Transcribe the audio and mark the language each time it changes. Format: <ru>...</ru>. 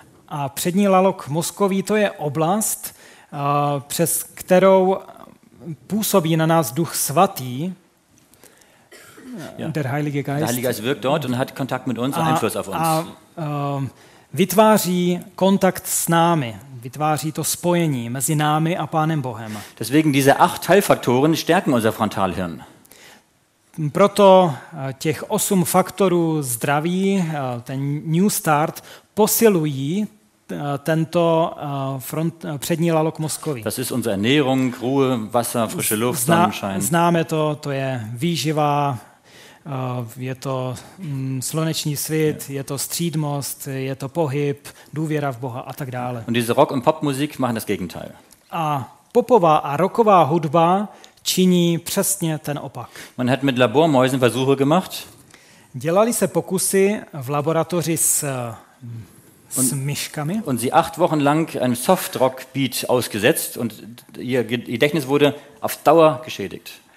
<cs>A přední lalok mozkový, to je oblast, přes kterou působí na nás Duch Svatý.</cs> <de>Ja. Der Heilige Geist wirkt dort und hat Kontakt mit uns und Einfluss auf uns.</de> <cs>Vytváří kontakt s námi, vytváří to spojení mezi námi a Pánem Bohem.</cs> <de>Deswegen diese 8 Teilfaktoren stärken unser Frontalhirn.</de> <cs>Proto těch 8 faktorů zdraví, ten New Start, posilují tento přední lalok mozkový.</cs> <de>Das ist unsere Ernährung, Ruhe, Wasser, frische Luft, Sonnenschein.</de> <cs>Známe to, to je výživa, je to sluneční svět, je to střídmost, je to pohyb, důvěra v Boha a tak dále.</cs> <de>Und diese Rock- und Popmusik machen das Gegenteil.</de> <cs>A popová a rocková hudba činí přesně ten opak.</cs> <de>Man hat mit Labormäusen Versuche gemacht.</de> <cs>Dělali se pokusy v laboratoři s myškami.</cs> <de>Und sie 8 Wochen lang einem Softrock-Beat ausgesetzt und ihr Gedächtnis wurde auf Dauer geschädigt.</de>